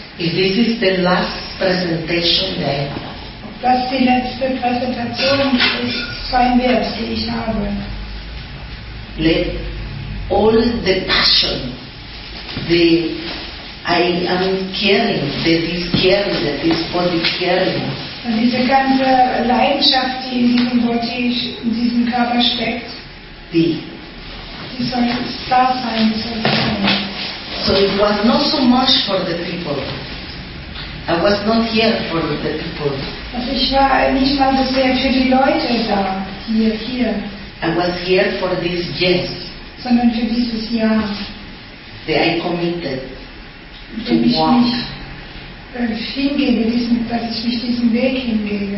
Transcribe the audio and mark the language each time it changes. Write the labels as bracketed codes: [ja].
[en] if this is the last presentation that I have. [de] Was die letzte Präsentation sein wird, die ich habe. [en] Let all the passion, the I am caring, the this caring, the this body caring. [de] Und diese ganze Leidenschaft, die in diesem Body, in diesem Körper steckt, die soll da sein, die soll sein. [en] So it was not so much for the people. I was not here for the people. [de] Also ich war nicht mal so sehr für die Leute da, hier. [en] I was here for this yes. [de] Sondern für dieses Ja. [en] That I committed to walk. [de] Dass ich mich hingebe, dass ich mich diesen Weg hingebe.